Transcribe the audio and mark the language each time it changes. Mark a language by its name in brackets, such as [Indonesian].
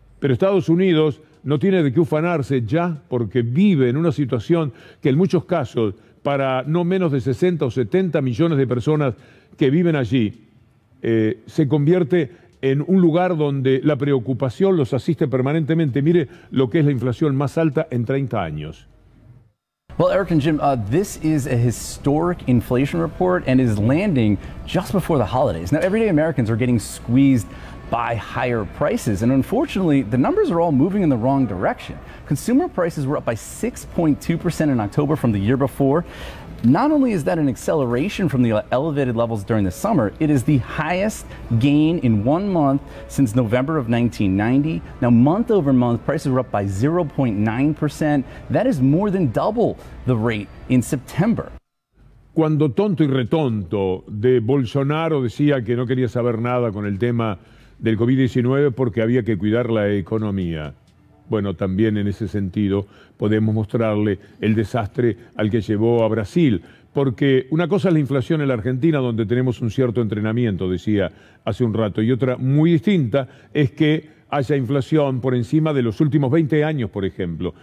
[Spanish] Pero Estados Unidos no tiene de qué ufanarse ya porque vive en una situación que en muchos casos, para no menos de 60 o 70 millones de personas que viven allí, se convierte en un lugar donde la preocupación los asiste permanentemente. Mire lo que es la inflación más alta en 30 años. [English] Well, Eric and Jim, this is a historic inflation report and is landing just before the holidays. Now, everyday Americans are getting squeezed by higher prices, and unfortunately, the numbers are all moving in the wrong direction. Consumer prices were up by 6.2% in October from the year before. Not only is that an acceleration from the elevated levels during the summer, it is the highest gain in one month since November of 1990. Now, month over month, prices were up by 0.9%. That is more than double the rate in September. [Spanish] Cuando tonto y retonto de Bolsonaro decía que no quería saber nada con el tema del COVID-19 porque había que cuidar la economía. Bueno, también en ese sentido podemos mostrarle el desastre al que llevó a Brasil. Porque una cosa es la inflación en la Argentina, donde tenemos un cierto entrenamiento, decía hace un rato, y otra muy distinta es que haya inflación por encima de los últimos 20 años, por ejemplo.